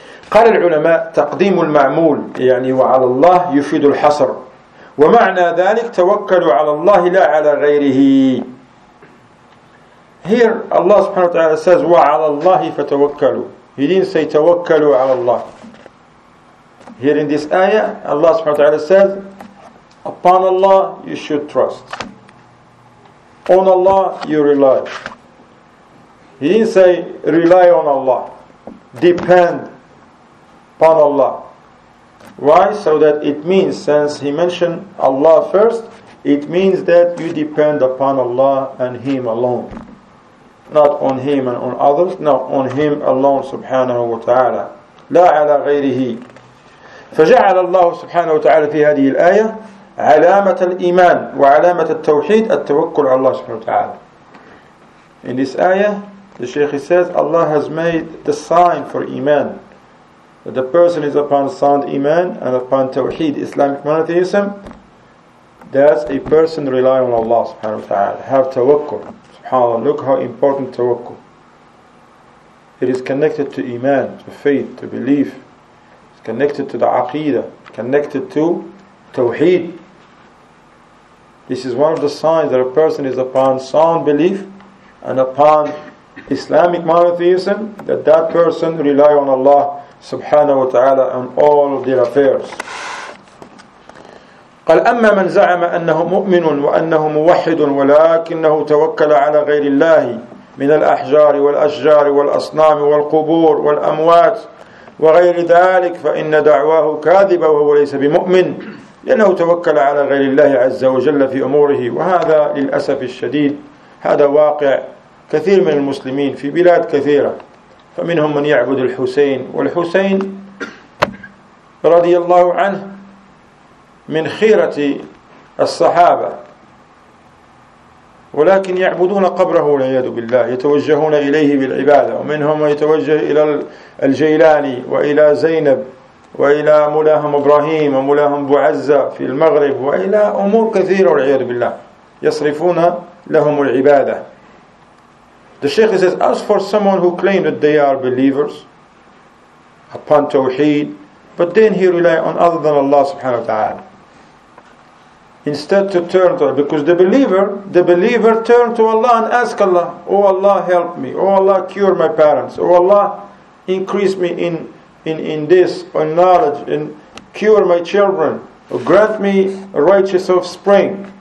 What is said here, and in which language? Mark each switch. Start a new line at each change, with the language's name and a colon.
Arabic: قال العلماء تقديم المعمول يعني وعلى الله يفيد الحصر، ومعنى ذلك توكلوا على الله لا على غيره.
English: Here Allah subhanahu wa ta'ala says
Arabic: وعلى الله فتوكلوا.
English: He didn't say
Arabic: توكلوا على الله.
English: Here in this ayah Allah subhanahu wa ta'ala says upon Allah you should trust, on Allah you rely. He didn't say rely on Allah, depend upon Allah. Why? So that it means, since he mentioned Allah first, it means that you depend upon Allah and Him alone. Not on Him and on others, no, on Him alone, subhanahu wa ta'ala.
Arabic: لا على غيره. فجعل الله سبحانه وتعالى في هذه الآية علامة الإيمان وعلامة التوحيد التوكل على الله سبحانه وتعالى.
English: In this ayah, the Shaykh says, Allah has made the sign for Iman. The person is upon sound iman and upon tawheed, Islamic monotheism. That's a person rely on Allah subhanahu wa ta'ala. Have tawakkul. SubhanAllah. Look how important tawakkul. It is connected to iman, to faith, to belief. It's connected to the aqeedah, connected to tawheed. This is one of the signs that a person is upon sound belief and upon Islamic monotheism, that person rely on Allah subhanahu wa ta'ala on all of their affairs.
Arabic: قال أما من زعم أنه مؤمن وأنه موحد ولكنه توكل على غير الله من الأحجار والأشجار والأصنام والقبور والأموات وغير ذلك فإن دعواه كاذبة وهو ليس بمؤمن لأنه توكل على غير الله عز وجل في أموره. وهذا للأسف الشديد هذا واقع كثير من المسلمين في بلاد كثيرة، فمنهم من يعبد الحسين، والحسين رضي الله عنه من خيرة الصحابة، ولكن يعبدون قبره والعياذ بالله، يتوجهون إليه بالعبادة، ومنهم يتوجه إلى الجيلاني وإلى زينب وإلى مولاهم إبراهيم ومولاهم بوعزة في المغرب وإلى أمور كثيرة والعياذ بالله، يصرفون لهم العبادة.
English: The Sheikh says, as for someone who claims that they are believers upon Tawheed, but then he rely on other than Allah subhanahu wa ta'ala. Instead to turn to, because the believer turn to Allah and ask Allah, oh Allah help me, oh Allah cure my parents, oh Allah increase me in this, in knowledge, and cure my children, or grant me a righteous offspring.